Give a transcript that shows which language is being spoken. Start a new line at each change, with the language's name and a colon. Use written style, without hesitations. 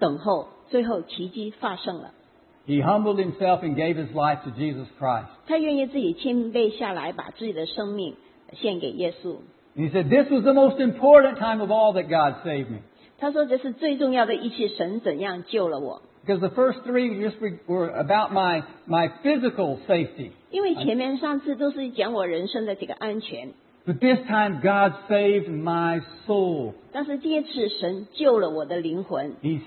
Chinese: 然后她祷告了很多很多很长时间，然后呢，她等候，最后奇迹发生了。
English: He humbled himself and gave his life to Jesus Christ.
Chinese: 她愿意自己谦卑下来，把自己的生命献给耶稣。
English: He said, this was the most important time of all that God saved me.
Chinese: 他说这是最重要的一次，神怎样救了我。
English: Because the first three just were about my physical safety.
Chinese: 因为前面上次都是讲我人生的这个安全。
English: But this time God saved my soul.
Chinese: 但是这次神救了我的灵魂。
English: He